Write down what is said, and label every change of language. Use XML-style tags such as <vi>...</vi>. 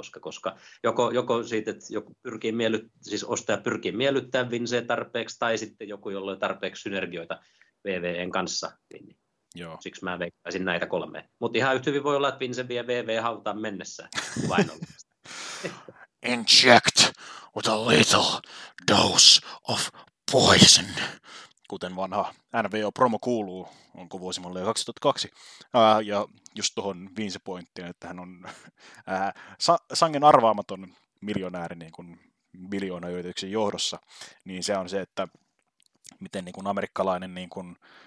<fi>Koska joko siitä, että joku pyrkii ostaja pyrkii miellyttämään Vinceä tarpeeksi, tai sitten joku, jolla on tarpeeksi synergioita WWE:n kanssa. Niin. Joo. Siksi mä veikkaisin näitä 3. Mutta ihan yhtä hyvin voi olla, että Vince vie WWE-hautaan mennessä.</fi> <en>Inject with a little dose of poison.</en> <fi>Kuten vanha NVO-promo kuuluu, onko vuosimalle 2002. Ja just tuohon Vince-pointtiin, että hän on sangen arvaamaton miljonääri niin kuin miljoonayrityksen johdossa, niin se on se, että miten niin kuin amerikkalainen niin kuin,</fi>